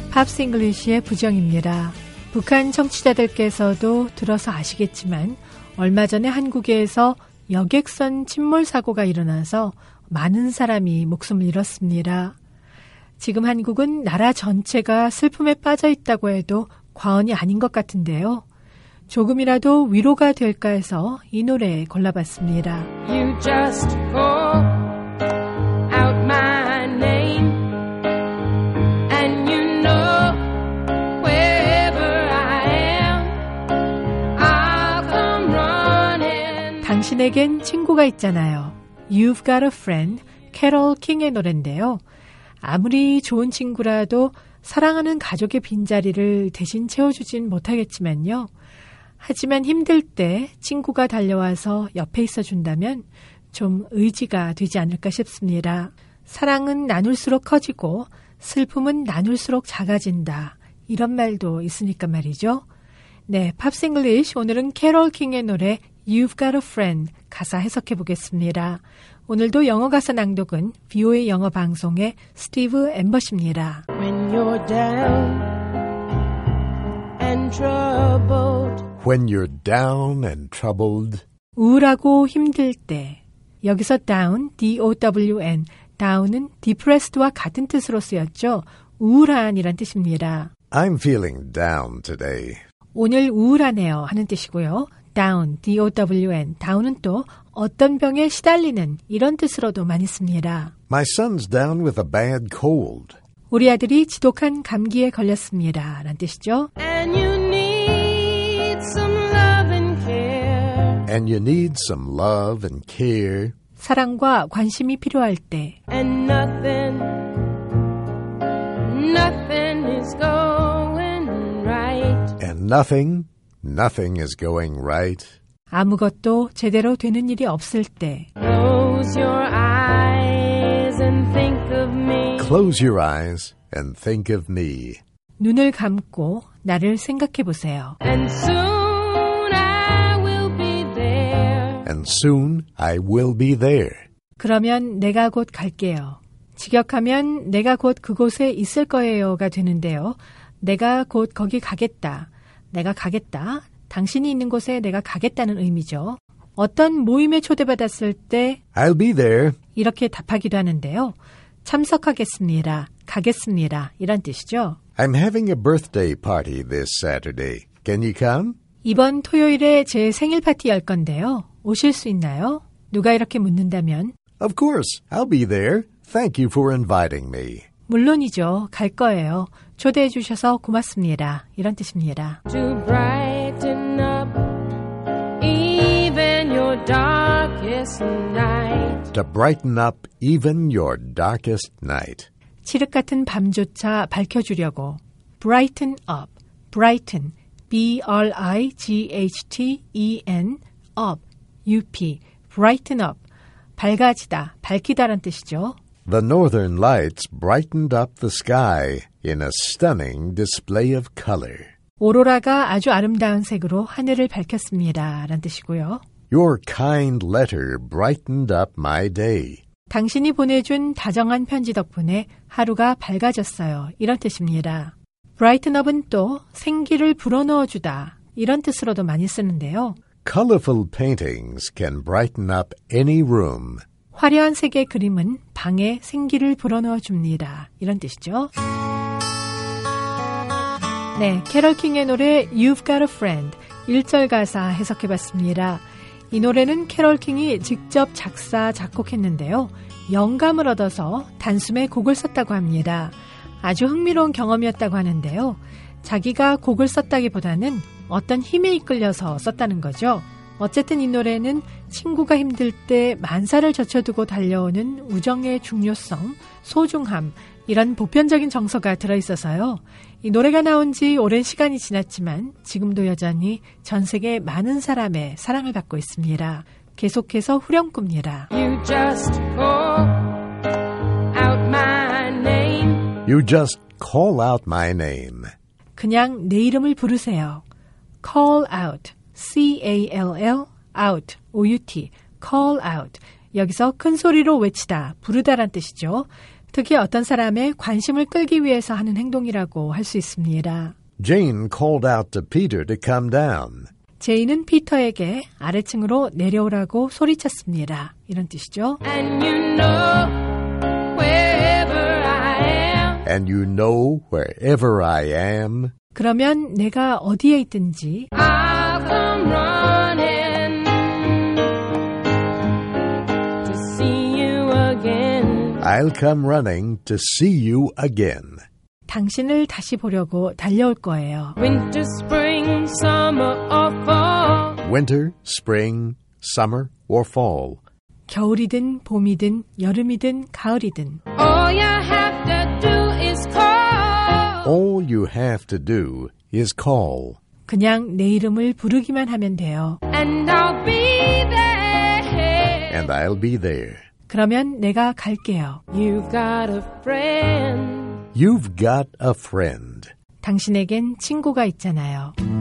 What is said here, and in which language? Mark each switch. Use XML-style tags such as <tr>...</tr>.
<ko>Pops English의 부정입니다. 북한 청취자들께서도 들어서 아시겠지만 얼마 전에 한국에서 여객선 침몰 사고가 일어나서 많은 사람이 목숨을 잃었습니다. 지금 한국은 나라 전체가 슬픔에 빠져 있다고 해도 과언이 아닌 것 같은데요. 조금이라도 위로가 될까 해서 이 노래 골라봤습니다.</ko> <en>You just call out my name and you know wherever I am I'll come running.</en> <ko>당신에겐 친구가 있잖아요.</ko> <en>You've got a friend,</en> <ko>캐롤 킹의 노래인데요. 아무리 좋은 친구라도 사랑하는 가족의 빈자리를 대신 채워주진 못하겠지만요. 하지만 힘들 때 친구가 달려와서 옆에 있어준다면 좀 의지가 되지 않을까 싶습니다. 사랑은 나눌수록 커지고 슬픔은 나눌수록 작아진다. 이런 말도 있으니까 말이죠. 네, Pops English 오늘은 캐롤 킹의 노래</ko> <en>You've Got a Friend</en> <ko>가사 해석해 보겠습니다. 오늘도 영어 가사 낭독은 VOA 영어 방송의 스티브 앰버시입니다.</ko> <en>When you're down and troubled. When you're down and troubled.</en> <ko>우울하고 힘들 때. 여기서 down, D-O-W-N. down은 depressed와 같은 뜻으로 쓰였죠. 우울한이란 뜻입니다.</ko> <en>I'm feeling down today.</en> <ko>오늘 우울하네요 하는 뜻이고요. down, D-O-W-N. down은 또 어떤 병에 시달리는 이런 뜻으로도 많이 씁니다.</ko> <en>My son's down with a bad cold.</en> <ko>우리 아들이 지독한 감기에 걸렸습니다. 라는 뜻이죠.</ko> <en>And you need some love and care. And you need some love and care.</en> <ko>사랑과 관심이 필요할 때.</ko> <en>And nothing, nothing is going right. And nothing, nothing is going right.</en> <ko>아무것도 제대로 되는 일이 없을 때.</ko> <en>Close your eyes and think of me. Close your eyes and think of me.</en> <ko>눈을 감고 나를 생각해 보세요.</ko> <en>And soon I will be there. And soon I will be there.</en> <ko>그러면 내가 곧 갈게요. 직역하면 내가 곧 그곳에 있을 거예요가 되는데요. 내가 곧 거기 가겠다. 내가 가겠다. 당신이 있는 곳에 내가 가겠다는 의미죠. 어떤 모임에 초대받았을 때</ko> <en>I'll be there.</en> <ko>이렇게 답하기도 하는데요. 참석하겠습니다. 가겠습니다. 이런 뜻이죠.</ko> <en>I'm having a birthday party this Saturday. Can you come?</en> <ko>이번 토요일에 제 생일 파티 열 건데요. 오실 수 있나요? 누가 이렇게 묻는다면</ko> <en>Of course. I'll be there. Thank you for inviting me.</en> <ko>물론이죠. 갈 거예요. 초대해 주셔서 고맙습니다. 이런 뜻입니다.</ko> <en>To brighten up even your darkest night. To brighten up even your darkest night.</en> <ko>칠흑 같은 밤조차 밝혀주려고.</ko> <en>Brighten up. Brighten. B-R-I-G-H-T-E-N. Up. U-P. Brighten up.</en> <ko>밝아지다, 밝히다란 뜻이죠.</ko> <en>The northern lights brightened up the sky in a stunning display of color.</en> <ko>오로라가 아주 아름다운 색으로 하늘을 밝혔습니다. 라는 뜻이고요.</ko> <en>Your kind letter brightened up my day.</en> <ko>당신이 보내준 다정한 편지 덕분에 하루가 밝아졌어요. 이런 뜻입니다. Brighten up은 또 생기를 불어넣어주다. 이런 뜻으로도 많이 쓰는데요.</ko> <en>Colorful paintings can brighten up any room.</en> <ko>화려한 색의 그림은 방에 생기를 불어넣어 줍니다. 이런 뜻이죠. 네, 캐럴 킹의 노래</ko> <en>You've Got a Friend</en> <ko>1절 가사 해석해봤습니다. 이 노래는 캐럴 킹이 직접 작사, 작곡했는데요. 영감을 얻어서 단숨에 곡을 썼다고 합니다. 아주 흥미로운 경험이었다고 하는데요. 자기가 곡을 썼다기보다는 어떤 힘에 이끌려서 썼다는 거죠. 어쨌든 이 노래는 친구가 힘들 때 만사를 젖혀두고 달려오는 우정의 중요성, 소중함 이런 보편적인 정서가 들어있어서요. 이 노래가 나온 지 오랜 시간이 지났지만 지금도 여전히 전 세계 많은 사람의 사랑을 받고 있습니다. 계속해서 후렴구입니다.</ko> <en>You just call out my name. You just call out my name.</en> <ko>그냥 내 이름을 부르세요.</ko> <en>Call out. C-A-L-L, out, O-U-T, call out.</en> <ko>여기서 큰 소리로 외치다, 부르다란 뜻이죠. 특히 어떤 사람의 관심을 끌기 위해서 하는 행동이라고 할 수 있습니다.</ko> <en>Jane called out to Peter to come down.</en> <ko>제인은 피터에게 아래층으로 내려오라고 소리쳤습니다. 이런 뜻이죠.</ko> <en>And you know wherever I am. And you know wherever I am.</en> <ko>그러면 내가 어디에 있든지</ko> <en>I'll come running to see you again. I'll come running to see you again.</en> <ko>당신을 다시 보려고 달려올 거예요.</ko> <en>Winter, spring, summer or fall. Winter, spring, summer or fall.</en> <ko>겨울이든 봄이든 여름이든 가을이든.</ko> <en>All you have to do is call. All you have to do is call.</en> <ko>그냥 내 이름을 부르기만 하면 돼요.</ko> <en>And I'll be there. And I'll be there.</en> <ko>그러면 내가 갈게요.</ko> <en>You've got a friend. You've got a friend.</en> <ko>당신에겐 친구가 있잖아요.</ko>